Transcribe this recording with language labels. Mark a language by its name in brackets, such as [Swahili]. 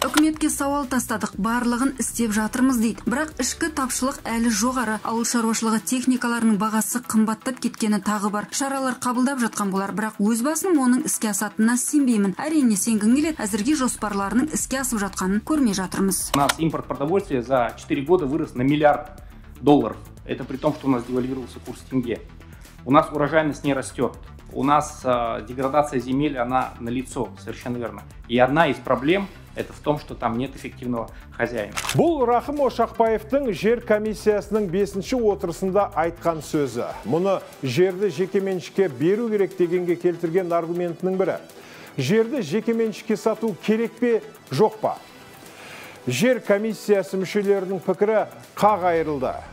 [Kazakh] Үкіметке сауал тастадық, барлығын істеп жатырмыз дейді. Бірақ ішкі тапшылық әлі жоғары. Ауыл шаруашылығы техникаларының бағасы қымбаттап кеткені тағы бар. Шаралар қабылдап жатқан болар, бірақ өз басым оның іске асатынына сенбеймін. Әрине, сенгің келеді, әзірге жоспарларының іске асып жатқанын көрмей жатырмыз. [Russian] Нас импорт продовольствия за 4 года вырос на $1 миллиард. Это при том, что у нас девальвировался курс тенге. У нас урожайность не растет. У нас деградация земель, она налицо, совершенно верно. И одна из проблем – это в том, что там нет эффективного хозяина. [Kazakh] Бұл Рахым Ошақбаевтың жер комиссиясының 5-ші отырысында айтқан сөзі. Мұны жерді жекеменшіке беру керек дегенге келтірген аргументінің бірі. Жерді жекеменшіке сату керек пе, жоқ па? Жер комиссиясы мүшелерінің пікірі қақ айырылды.